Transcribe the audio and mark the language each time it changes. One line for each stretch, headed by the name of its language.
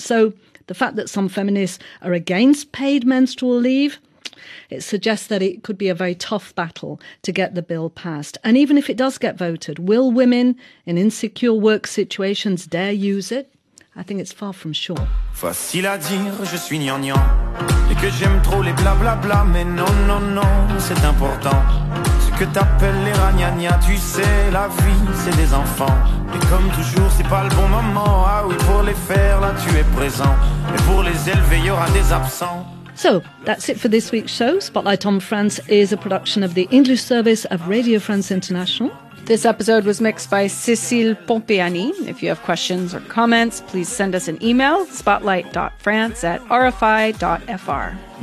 English: So the fact that some feminists are against paid menstrual leave, it suggests that it could be a very tough battle to get the bill passed. And even if it does get voted, will women in insecure work situations dare use it? I think it's far from sure.
French: Facile à dire, je suis gnangnan. Et que j'aime trop les blablabla. Mais non, non, non, c'est important. Ce que t'appelles les ragnagna. Tu sais, la vie, c'est des enfants. Et comme toujours, c'est pas le bon moment. Ah oui, pour les faire, là, tu es présent. Et pour les élever, y'aura des absents.
English: So, that's it for this week's show. Spotlight on France is a production of the English service of Radio France International. This episode was mixed by Cecile Pompeani. If you have questions or comments, please send us an email, spotlight.france@rfi.fr.